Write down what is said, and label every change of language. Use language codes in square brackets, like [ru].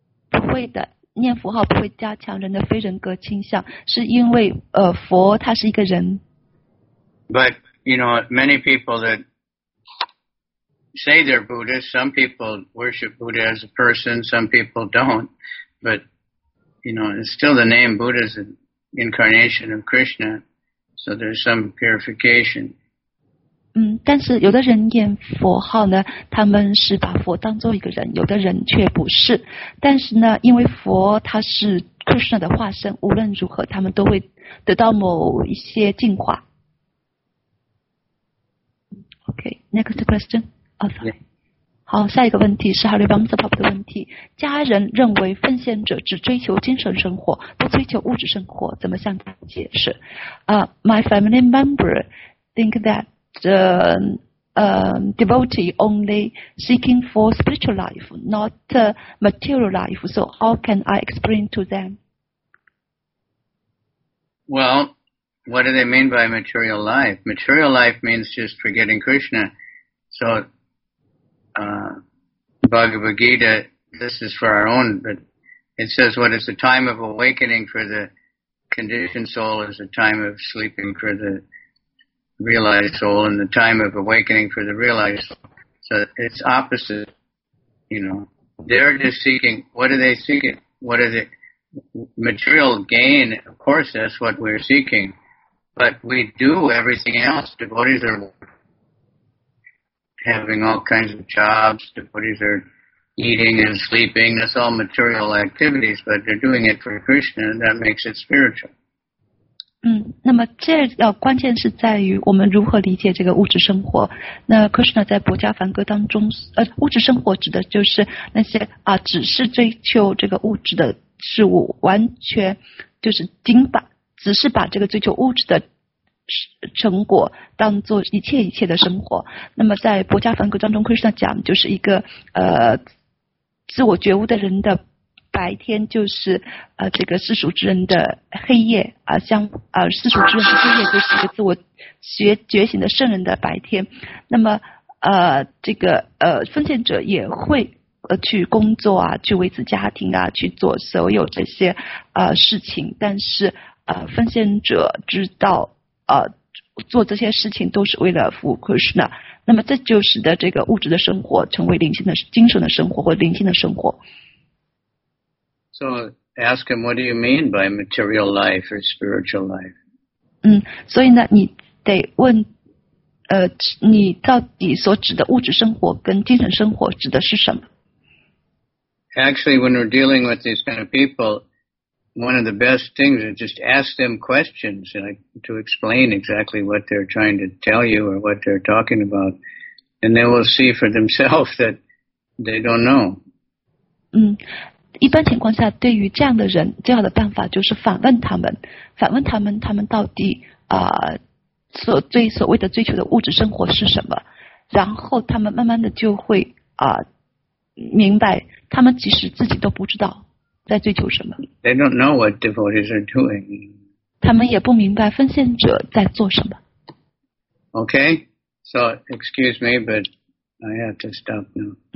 [zh] 不会的，念佛号不会加强人的非人格倾向，是因为佛他是一个人。 [en] But you know, many people that say they're Buddhist, some people worship Buddha as a person, some people don't. But you know, it's still the name Buddha is an incarnation of Krishna, so there's some purification. [zh] 但是有的人念佛号呢，他们是把佛当作一个人，有的人却不是。但是呢，因为佛他是 Krishna 的化身，无论如何，他们都会得到某一些进化。 [en] Okay, next question. Oh, sorry. Yeah. [zh] 好，下一个问题是 Hari Bamsapap 的问题。家人认为奉献者只追求精神生活，不追求物质生活，怎么向他解释？ [en] My family member think that devotee only seeking for spiritual life, not material life. So how can I explain to them? Well, what do they mean by material life? Material life means just forgetting Krishna. So,Bhagavad Gita, this is for our own, but it says what is the time of awakening for the conditioned soul is the time of sleeping for the realized soul, and the time of awakening for the realized soul. So it's opposite, you know. They're just seeking, what are they seeking? What are the material gain? Of course, that's what we're seeking. But we do everything else. Devotees are... having all kinds of jobs, devotees are eating and sleeping, that's all material activities, but they're doing it for Krishna, and that makes it spiritual. [zh] 那么这关键是在于我们如何理解这个物质生活。那 Krishna 在薄伽梵歌当中物质生活指的就是那些只是追求这个物质的事物，完全就是仅把只是把这个追求物质的成果当做一切一切的生活。那么在薄伽梵歌当中 Krishna 讲，就是一个自我觉悟的人的白天就是这个世俗之人的黑夜，世俗之人的黑夜就是一个自我觉醒的圣人的白天。那么这个奉献者也会去工作啊，去维持家庭啊，去做所有这些事情，但是奉献者知道做这些事情都是为了服务 Krishna， 那么这就使得这个物质的生活成为灵性的精神的生活或灵性的生活。 [en] So ask him, what do you mean by material life or spiritual life? [zh] 所以呢你得问你到底所指的物质生活跟精神生活指的是什么？ [en] Actually, when we're dealing with these kind of peopleOne of the best things is just ask them questions, like, to explain exactly what they're trying to tell you or what they're talking about. And they will see for themselves that they don't know. [zh] 一般情况下对于这样的人最好的办法就是反问他们他们到底所谓的追求的物质生活是什么，然后他们慢慢的就会明白他们其实自己都不知道。在追求什么？ [en] They don't know what devotees are doing. [zh] 他们也不明白奉献者在做什么。 [en] Okay, so excuse me, but I have to stop now.